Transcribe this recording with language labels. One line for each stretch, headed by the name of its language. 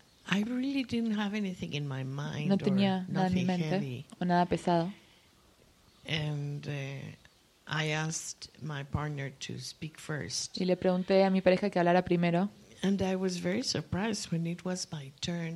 English: I really didn't have anything in my mind.
Spanish: No tenía nada en mi mente o nada pesado.
English: And I asked my partner to speak first.
Spanish: Y le pregunté a mi pareja que hablara primero.
English: And I was very surprised when it was my turn.